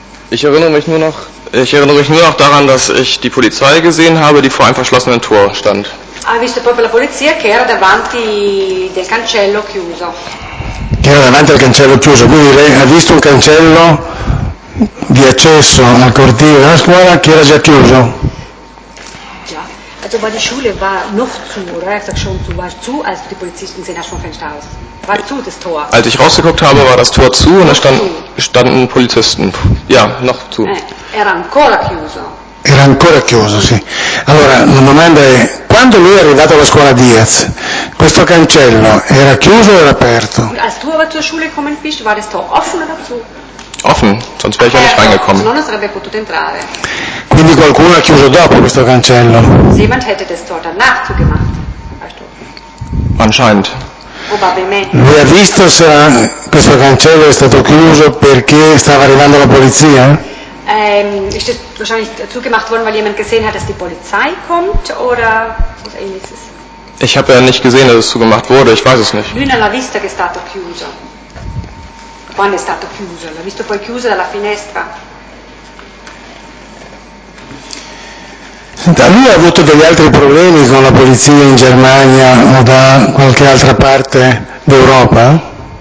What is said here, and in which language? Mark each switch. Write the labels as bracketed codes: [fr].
[de] Ich erinnere mich nur noch. Ich erinnere mich nur noch daran, dass ich die Polizei gesehen habe, die vor einem verschlossenen Tor stand. [it] Ha visto proprio la polizia che era davanti del cancello chiuso. Che era davanti al cancello chiuso, quindi lei ha visto un cancello di accesso al cortile della scuola che era già chiuso. [de] Già, also bei der Schule war noch zu, oder? Ich sag schon zu, war zu, als die Polizisten sehen aus vom Fenster aus. War zu das Tor. Als ich rausgeguckt habe, war das Tor zu und da standen Polizisten. Ja, noch zu. [it] Era ancora chiuso. Era ancora chiuso, sì. Allora, la domanda è, quando lui è arrivato alla scuola Diaz, questo cancello era chiuso o era aperto? [de] Als du aber zur Schule kommen bist, war das Tor offen oder zu? Offen, sonst wäre ich ja nicht reingekommen. [it] Non sarebbe potuto entrare. Quindi qualcuno ha chiuso dopo questo cancello. [de] Jemand hätte das Tor danach zugemacht. Anscheinend. [it] Lui ha visto se questo cancello è stato chiuso perché stava arrivando la polizia? [de] Ist das wahrscheinlich zugemacht worden, weil jemand gesehen hat, dass die Polizei kommt, oder was ähnliches? Ich habe ja nicht gesehen, dass es zugemacht wurde, ich weiß es nicht. [it] Lui non l'ha visto che è stato chiuso. Quando è stato chiuso? L'ha visto poi chiuso dalla finestra. Senta, lui ha avuto degli altri problemi con la polizia in Germania o da qualche altra parte d'Europa?